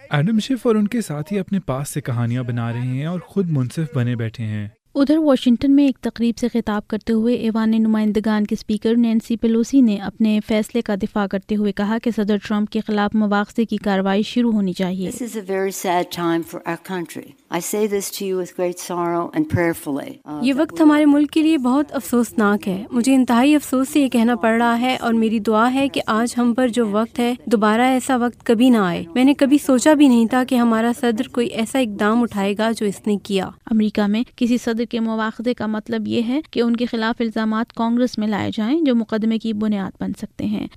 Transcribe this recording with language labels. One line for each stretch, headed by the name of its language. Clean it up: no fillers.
Urdu: Adam chef اور ان کے ساتھی اپنے پاس سے کہانیاں بنا رہے ہیں اور خود منصف بنے بیٹھے ہیں. ادھر واشنگٹن میں ایک تقریب سے خطاب کرتے ہوئے ایوان نمائندگان کے سپیکر نینسی پیلوسی نے اپنے فیصلے کا دفاع کرتے ہوئے کہا کہ صدر ٹرمپ کے خلاف مواخذے کی کارروائی شروع ہونی چاہیے.
English: This is a very sad time for our country. I say this to you with great sorrow and prayerfully.
Urdu: یہ وقت ہمارے ملک کے لیے بہت افسوسناک ہے. مجھے انتہائی افسوس سے یہ کہنا پڑ رہا ہے اور میری دعا ہے کہ آج ہم پر جو وقت ہے دوبارہ ایسا وقت کبھی نہ آئے. میں نے کبھی سوچا بھی نہیں تھا کہ ہمارا صدر کوئی ایسا اقدام اٹھائے گا جو اس نے کیا. امریکہ میں کسی صدر کے مواخذے کا مطلب یہ ہے کہ ان کے خلاف الزامات کانگریس میں لائے جائیں جو مقدمے کی بنیاد بن سکتے ہیں.